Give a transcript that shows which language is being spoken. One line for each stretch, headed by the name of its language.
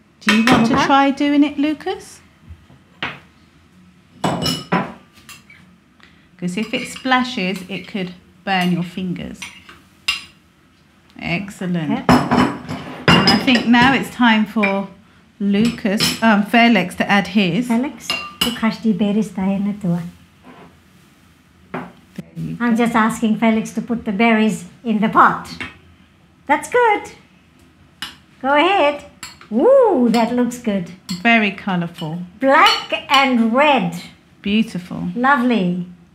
English: Do you want to try doing it, Lucas? Because if it splashes, it could burn your fingers. Excellent. Okay. And I think now it's time for Felix to add his.
German: Felix, du kannst die berries da hinne tun.
English: I'm just asking Felix to put the berries in the pot. That's good. Go ahead. Ooh, that looks good. Very colourful. Black and red. Beautiful. Lovely.